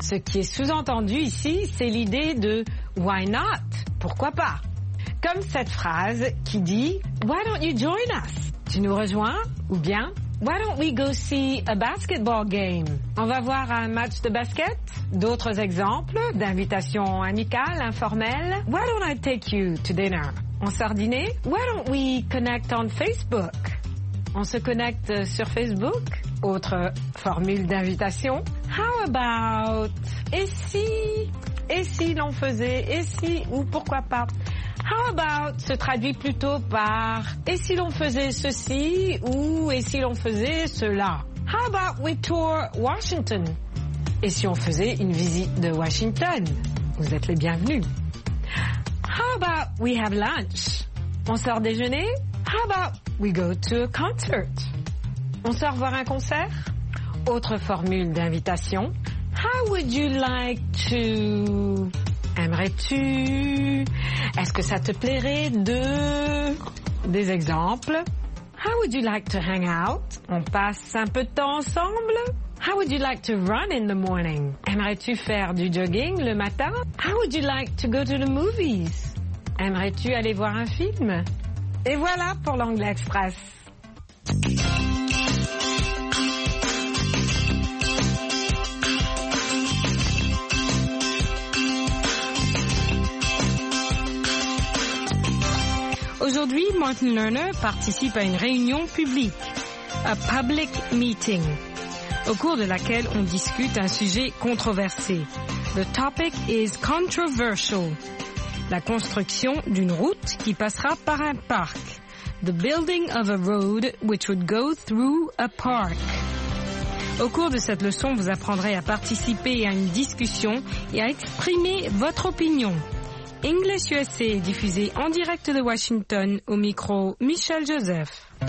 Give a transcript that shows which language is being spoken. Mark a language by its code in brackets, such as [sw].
[fr] Ce qui est sous-entendu ici, c'est l'idée de « [en] why not ?» [fr] Pourquoi pas? Comme cette phrase qui dit « [en] why don't you join us ?» [fr] Tu nous rejoins? Ou bien [en] « why don't we go see a basketball game ?» [fr] On va voir un match de basket? D'autres exemples d'invitations amicales, informelles? [en] « why don't I take you to dinner ?» [fr] On sort dîner? [en] Why don't we connect on Facebook? [fr] On se connecte sur Facebook? Autre formule d'invitation. [en] How about? [fr] Et si l'on faisait? Et si ou pourquoi pas? How about se traduit plutôt par et si l'on faisait ceci ou et si l'on faisait cela? [en] How about we tour Washington? [fr] Et si on faisait une visite de Washington? Vous êtes les bienvenus. [en] How about we have lunch? [fr] On sort déjeuner? [en] How about we go to a concert? [fr] On sort voir un concert? Autre formule d'invitation. [en] How would you like to? [fr] Aimerais-tu? Est-ce que ça te plairait de? Des exemples. [en] How would you like to hang out? [fr] On passe un peu de temps ensemble? [en] How would you like to run in the morning? [fr] Aimerais-tu faire du jogging le matin? [en] How would you like to go to the movies? [fr] Aimerais-tu aller voir un film? Et voilà pour l'Anglais Express. Aujourd'hui, Martin Lerner participe à une réunion publique. [en] A public meeting. [fr] au cours de laquelle on discute un sujet controversé. [en] The topic is controversial. [fr] La construction d'une route qui passera par un parc. [en] The building of a road which would go through a park. [fr] Au cours de cette leçon, vous apprendrez à participer à une discussion et à exprimer votre opinion. English USA est diffusé en direct de Washington au micro Michel Joseph.